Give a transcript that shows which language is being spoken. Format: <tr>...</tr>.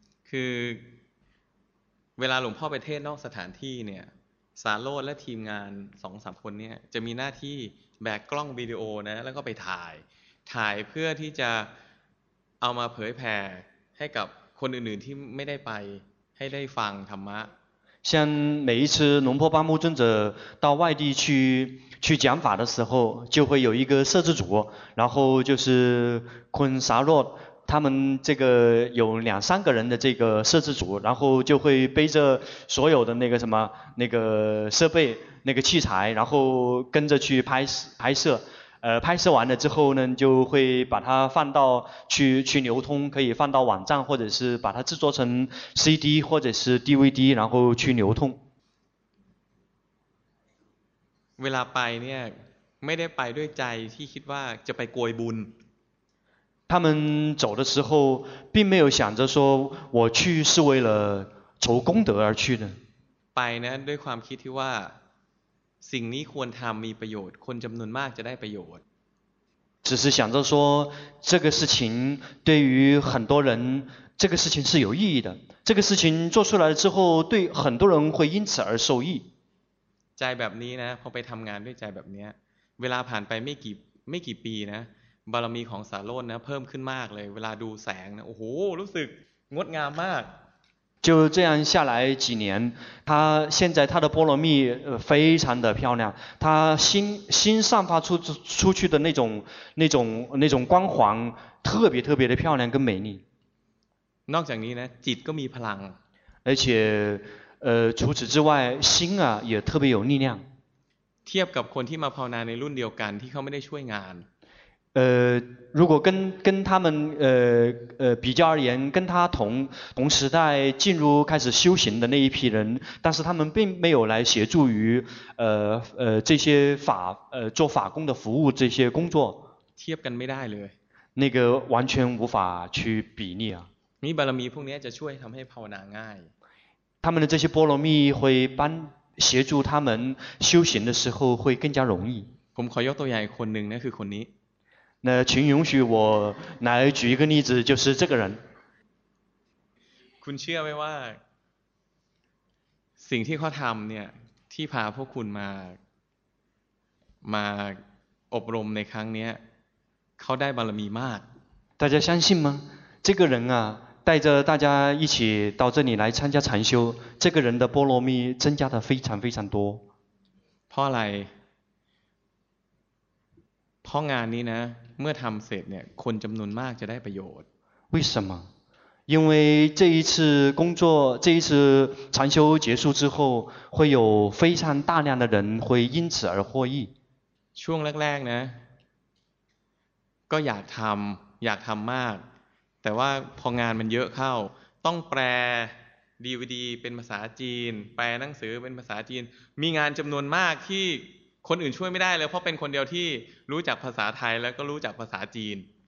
<th>คือเวลาหลวงพ่อไปเทศนอกสถานที่เนี่ยสาโรดและทีมงาน 2-3 คนเนี่ยจะมีหน้าที่แบกกล้องวิดีโอนะแล้วก็ไปถ่ายเพื่อที่จะเอามาเผยแผ่ให้กับคนอื่นๆที่ไม่ได้ไปให้ได้ฟังธรรมะ</th> <zh>像每一次龙婆巴木尊者到外地去讲法的时候，就会有一个摄制组，然后就是昆萨洛他们这个有两三个人的这个摄制组，然后就会背着所有的那个什么那个设备那个器材，然后跟着去拍摄，拍摄完了之后呢，就会把它放到去流通，可以放到网站，或者是把它制作成 CD 或者是 DVD， 然后去流通。</zh> <th>เวลาไปเนี่ยไม่ได้ไปด้วยใจที่คิดว่าจะไปโกยบุญ</th> <zh>他们走的时候并没有想着说我去是为了筹功德而去的</zh> <th>ไปนะด้วยความคิดที่ว่าสิ่งนี้ควรทำมีประโยชน์คนจำนวนมากจะได้ประโยชน์</th> <zh>只是想着说这个事情对于很多人这个事情是有意义的这个事情做出来之后对很多人会因此而受益</zh> <th>ใจแบบนี้นะพอไปทำงานด้วยใจแบบนี้เวลาผ่านไปไม่กี่ปีนะบารมีของสาโรจน์นะเพิ่มขึ้นมากเลยเวลาดูแสงนะโอ้โหรู้สึกงดงามมาก</th> <zh>就这样下来几年他现在他的波罗蜜非常的漂亮他心散发出去的那种光环特别特别的漂亮跟美丽</zh> <th>นอกจากนี้นะจิตก็มีพลัง</th> <zh>而且除此之外心啊也特别有力量</zh> <th>เทียบกับคนที่มาภาวนาในรุ่นเดียวกันที่เขาไม่ได้ช่วยงาน รู้ก็</th> <zh>跟他们比较而言跟他同时代进入开始修行的那一批人但是他们并没有来协助于这些法做法工的服务这些工作</zh> <th>เทียบกันไม่ได้เลย</th> <zh>那个完全无法去比拟啊</zh> <th>มีบารมีพวกนี้จะช่วยทำให้ภาวนาง่าย</th> <zh>他们的这些波罗蜜会帮协助他们修行的时候会更加容易</zh> <th>ผมขอยกตัวอย่างอีกคนหนึ่งนะคือคนนี้</th> <zh>那请允许我来举一个例子，就是这个人。</zh> <th>คุณเชื่อไหมว่าสิ่งที่เขาทำเนี่ยที่พาพวกคุณมาอบรมในครั้งนี้เขาได้บารมีมาก。</th> <zh>大家相信吗？这个人啊，带着大家一起到这里来参加禅修，这个人的波罗蜜增加的非常非常多。</zh> <th>เพราะอะไร？ เพราะงานนี้นะเมื่อทำเสร็จเนี่ยคนจำนวนมากจะได้ประโยชน์</th> <zh>为什么因为这一次工作这一次禅修结束之后会有非常大量的人会因此而获益</zh> <th>ช่วงแรกๆนะก็อยากทำมากแต่ว่าพองานมันเยอะเข้าต้องแปล DVD เป็นภาษาจีนแปลหนังสือเป็นภาษาจีนมีงานจำนวนมากที่คนอื่นช่วยไม่ได้เลยเพราะเป็นคนเดียวที่รู้จักภาษาไทยแล้วก็รู้จักภาษาจีน</th>